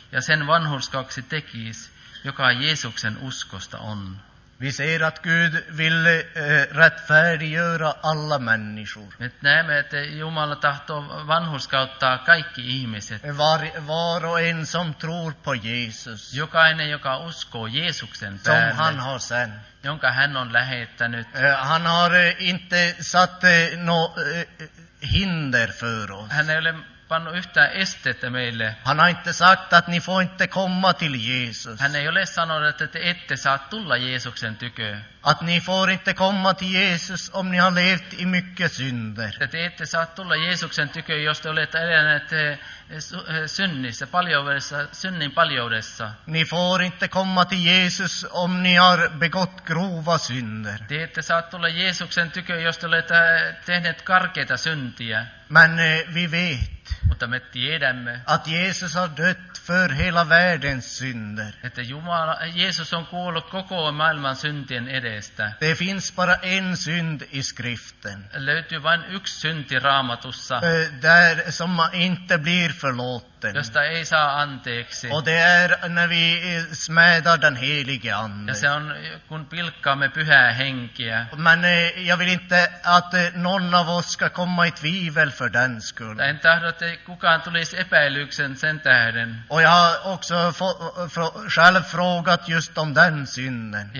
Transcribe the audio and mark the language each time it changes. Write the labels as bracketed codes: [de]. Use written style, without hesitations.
[fi] Ja sen vanhurskaaksi tekis, joka Jeesuksen uskosta on. [sv] Vi ser att Gud vill rättfärdiggöra alla människor. [fi] Me näemme, että Jumala tahtoo vanhurskauttaa kaikki ihmiset. [sv] Var och en som tror på Jesus. [fi] Jokainen, joka uskoo Jeesuksen päälle. [sv] Som han har sen. [fi] Jonka hän on lähettänyt. [sv] Han har inte satt no hinder för oss. [fi] Hän ei ole pannut yhtään estettä meille. [sv] Han har inte sagt att ni får inte komma till Jesus. [fi] Hän ei ole sanonut, että te ette saa tulla Jeesuksen tykö. [sv] Att ni får inte komma till Jesus om ni har levt i mycket synder. [fi] Että te ette saa tulla Jeesuksen tykö, jos te olette eläneet synnissä, paljoudessa, synnin paljoudessa. [sv] Ni får inte komma till Jesus om ni har begått grova synder. [fi] Te ette saa tulla Jeesuksen tykö, jos te olette tehneet karkeita syntiä. [sv] Men vi vet, [fi] mutta me tiedämme, [sv] att Jesus har dött för hela världens synder. [fi] Että Jumala, Jeesus on kuollut koko maailman syntien edestä. [sv] Det finns bara en synd i skriften. [fi] Löytyy vain yksi synti Raamatussa. [sv] Där som inte blir förlåten. [fi] Josta ei saa anteeksi. [sv] Och det är när vi smädar den helige ande. [fi] Ja se on, kun pilkkaamme pyhää henkeä. [sv] Men jag vill inte att någon av oss ska komma i tvivel. [fi] En tahdo, että kukaan tulisi epäilyksen sen tähden. [sv] Och jag har också själv frågat just om den synden.